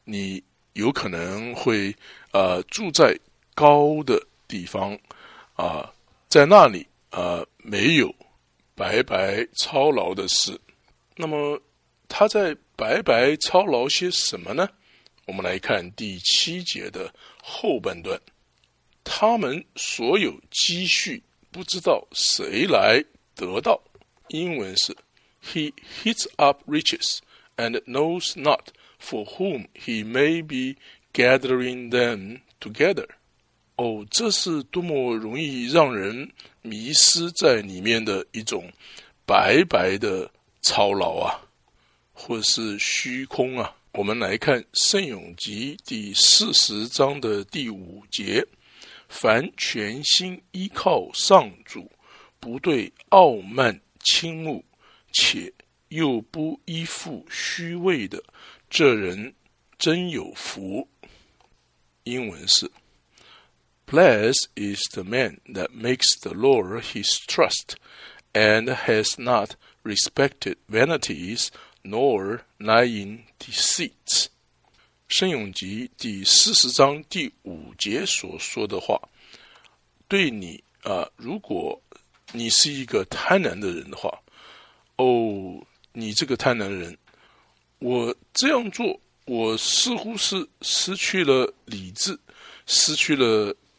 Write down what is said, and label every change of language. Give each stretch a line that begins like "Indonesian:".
Chinese: 你有可能会住在高的地方在那里没有白白操劳的事。那么他在白白操劳些什么呢？我们来看第七节的后半段，他们所有积蓄不知道谁来得到。英文是
English: He heats up riches and knows not for whom he may be gathering them together。
Chinese: 哦，这是多么容易让人迷失在里面的一种白白的操劳啊，或是虚空啊。我们来看圣咏集第40章的第5节，凡全心依靠上主，不对傲慢倾慕，且又不依附虚伪的，这人真有福。英文是
English: Blessed is the man that makes the Lord his trust and has not respected vanities nor lying deceits。
Chinese: 圣咏集第40章第5节所说的话，对你如果你是一个贪婪的人的话，哦，你这个贪婪人，我这样做，我似乎是失去了理智，失去了